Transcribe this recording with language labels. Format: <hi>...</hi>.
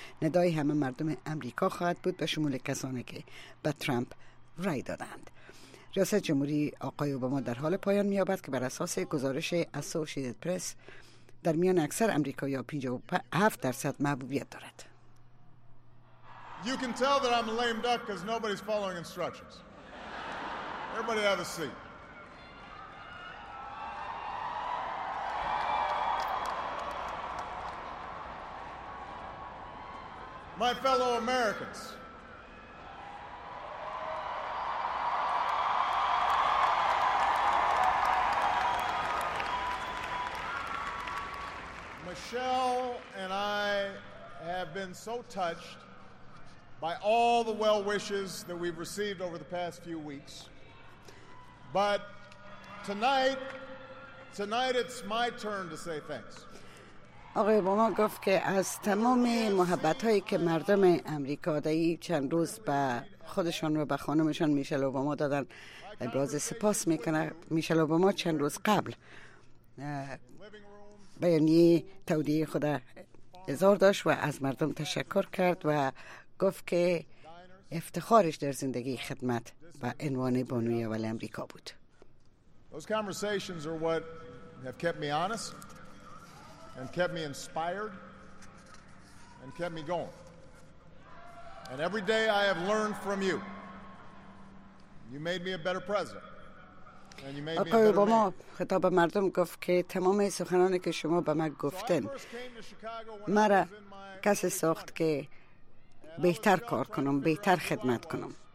<fa>ندای همه مردم امریکا خواهد بود، به شمول کسانی که به ترامپ رای دادند. ریاست جمهوری آقای اوباما در حال پایان می‌یابد که بر اساس گزارش اسوسییتد پرس در میان اکثر آمریکایی‌ها 57% محبوبیت دارد.</fa> <en>You can tell that I'm a lame duck because nobody's following instructions. Everybody have a seat. My fellow Americans. Michelle and I have been so touched by all the well wishes that we've received over the past few weeks. But tonight it's my turn to say thanks.</en> <fa>آقای اوباما گفت که از تمام محبت‌هایی که مردم آمریکا در این چند روز به خودشان و به خانمشان میشل اوباما دادن ابراز سپاس میکنه. میشل اوباما چند روز قبل بیانیه تودیع خود اظهار داشت و از مردم تشکر کرد و گفت که افتخارش در زندگی خدمت و عنوان بانوی اول امریکا بود.</fa> <en>Those conversations are what have kept me honest and kept me inspired and kept me going. And every day I have learned from you. You made me a better president.</en> <fa>آقای اوباما خطاب به مردم گفت که تمام سخنانی که شما به من گفتن مرا کسی ساخت که بهتر کار کنم، بهتر خدمت کنم.</fa>